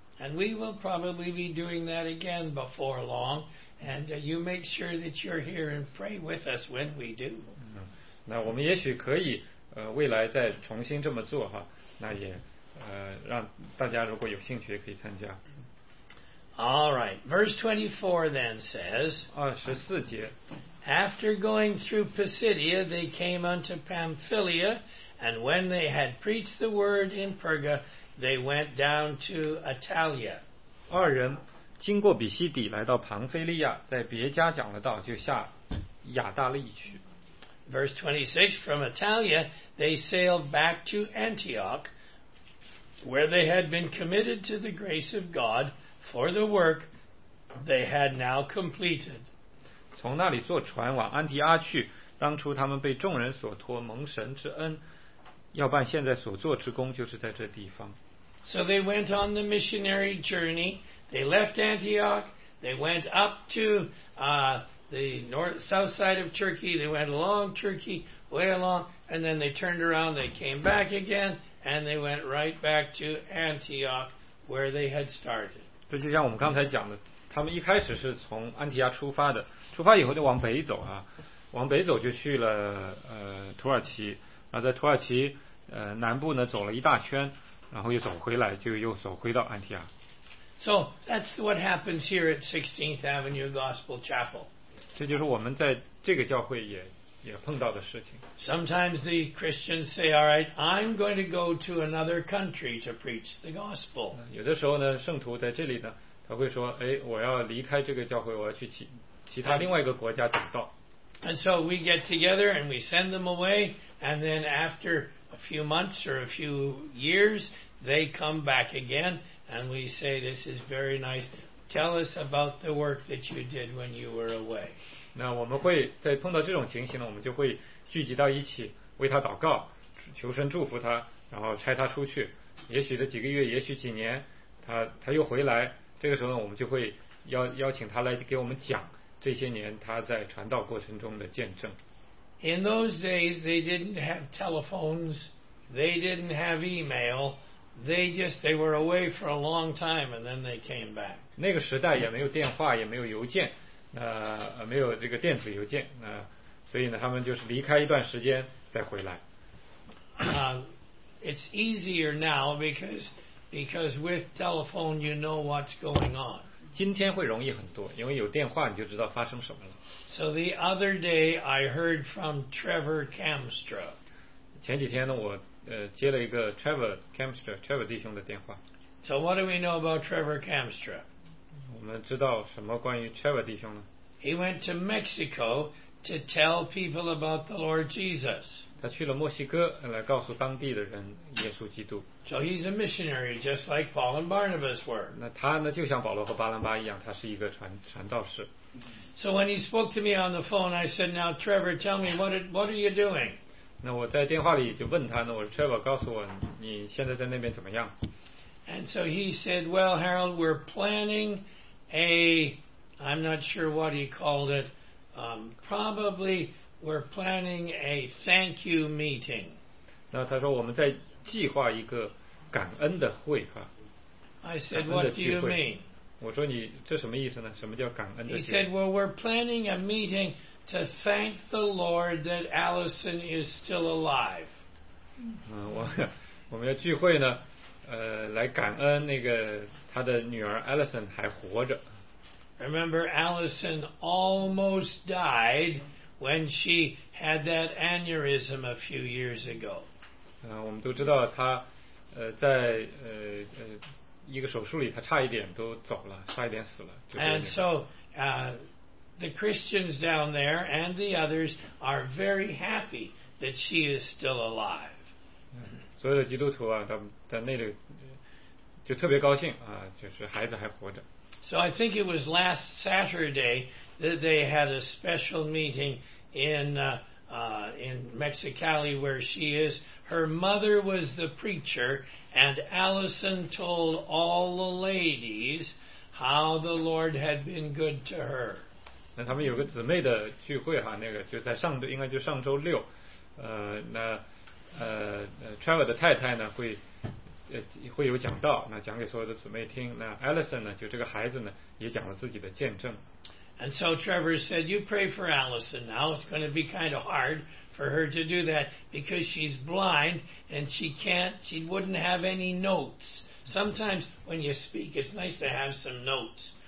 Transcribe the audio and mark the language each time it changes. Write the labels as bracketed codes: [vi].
[en] And we will probably be doing that again before long. And you make sure that you're here and pray with us when we do. [zh] 那我们也许可以未来再重新这么做哈。那也让大家如果有兴趣也可以参加。 [en] All right. Verse 24 then says. [zh] 24节。 [en] After going through Pisidia, they came unto Pamphylia, and when they had preached the word in Perga. They went down to Italia. [zh] 二人经过比西底来到庞菲利亚，在别加讲了道，就下亚大利去。 [en] Verse 26, from Italia, they sailed back to Antioch, where they had been committed to the grace of God for the work they had now completed. [zh] 从那里坐船往安提阿去，当初他们被众人所托，蒙神之恩，要办现在所做之工，就是在这地方。 [en] So they went on the missionary journey. They left Antioch. They went up to the north, south side of Turkey. They went along Turkey, way along, and then they turned around. They came back again, and they went right back to Antioch, where they had started. [zh] 这就像我们刚才讲的，他们一开始是从安提阿出发的，出发以后就往北走啊，往北走就去了土耳其，然后在土耳其南部呢走了一大圈，然后又走回来，就又走回到安提阿。 [en] So that's what happens here at 16th Avenue Gospel Chapel. [zh] 这就是我们在这个教会也碰到的事情。 [en] Sometimes the Christians say, "All right, I'm going to go to another country to preach the gospel." [zh] 有的时候呢，圣徒在这里呢，他会说，哎，我要离开这个教会，我要去其他另外一个国家讲道。 [en] And so we get together and we send them away, and then after a few months or a few years, they come back again, and we say, "This is very nice. Tell us about the work that you did when you were away." [zh] 那我们会在碰到这种情形呢，我们就会聚集到一起为他祷告，求神祝福他，然后差他出去。也许这几个月，也许几年，他又回来。这个时候呢，我们就会邀请他来给我们讲这些年他在传道过程中的见证。 [en] In those days, they didn't have telephones, they didn't have email, they were away for a long time, and then they came back. [zh] 那个时代也没有电话，也没有邮件，没有这个电子邮件，所以呢，他们就是离开一段时间再回来。 [en] It's easier now because with telephone, you know what's going on. [zh] 今天会容易很多，因为有电话，你就知道发生什么了。 [en] So the other day, I heard from Trevor Camstra. [zh] 前几天呢，我接了一个 Trevor Camstra, Trevor 弟兄的电话。 [en] So what do we know about Trevor Camstra? [zh] 我们知道什么关于 Trevor 弟兄呢？ [en] He went to Mexico to tell people about the Lord Jesus. [zh] 他去了墨西哥来告诉当地的人耶稣基督。 [en] So he's a missionary just like Paul and Barnabas were. [zh] 那他呢就像保罗和巴拿巴一样，他是一个传道士。 [en] So when he spoke to me on the phone, I said, "Now, Trevor, tell me what are you doing?" [zh] 那我在电话里就问他呢，我说 ，Trevor， 告诉我你现在在那边怎么样 [en] ？And so he said, "Well, Harold, we're planning a I'm not sure what he called it, probably." We're planning a thank you meeting. [zh] 那他说我们在计划一个感恩的会哈。 [en] I said, "What do you mean?" [zh] 我说你这什么意思呢？什么叫感恩的会 [en] ？He said, "Well, we're planning a meeting to thank the Lord that Allison is still alive." [zh] 我们要聚会呢，来感恩那个他的女儿 Allison 还活着。 [en] Remember, Allison almost died. When she had that aneurysm a few years ago. [zh] 我们都知道她，在一个手术里，她差一点都走了，差一点死了。 [en] And so, the Christians down there and the others are very happy that she is still alive. [zh] 所有的基督徒啊，他们在那里就特别高兴啊，就是孩子还活着。 [en] So I think it was last Saturday that they had a special meeting in Mexicali where she is. Her mother was the preacher, and Allison told all the ladies how the Lord had been good to her. [zh] 那他们有个姊妹的聚会哈，那个就在上周，应该就上周六，Trevor 的太太呢会有讲道，那讲给所有的姊妹听。那 Allison 呢，就这个孩子呢，也讲了自己的见证。 [en] And so Trevor said, "You pray for Allison now. It's going to be kind of hard for her to do that because she's blind and she wouldn't have any notes. Sometimes when you speak, it's nice to have some notes.